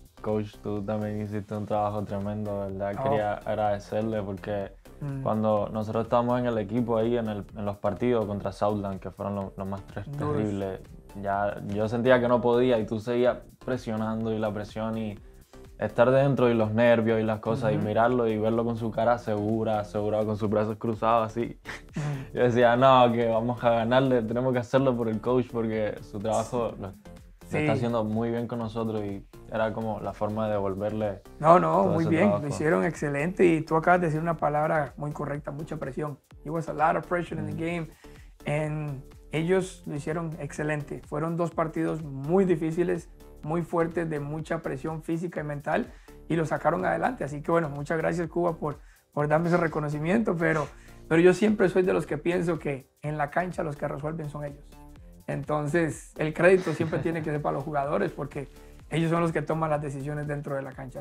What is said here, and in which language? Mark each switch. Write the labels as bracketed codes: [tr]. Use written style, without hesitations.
[es] Coach, tú también hiciste un trabajo tremendo, ¿verdad? Oh. Quería agradecerle porque cuando nosotros estábamos en el equipo ahí, en los partidos contra Southland, que fueron los más terribles, ya yo sentía que no podía y tú seguías presionando y la presión y estar dentro y los nervios y las cosas y mirarlo y verlo con su cara asegurado con sus brazos cruzados así. Yo decía, no, que okay, vamos a ganarle, tenemos que hacerlo por el coach porque su trabajo lo está haciendo muy bien con nosotros y era como la forma de devolverle. No, muy bien, trabajo. Lo hicieron excelente y tú acabas de decir una palabra muy correcta, mucha presión. [en] It was a lot of pressure in the game and [es] ellos lo hicieron excelente. Fueron 2 partidos muy difíciles, muy fuerte, de mucha presión física y mental, y lo sacaron adelante. Así que, bueno, muchas gracias, Kuba, por darme ese reconocimiento, pero yo siempre soy de los que pienso que en la cancha los que resuelven son ellos. Entonces, el crédito siempre tiene que ser para los jugadores porque ellos son los que toman las decisiones dentro de la cancha.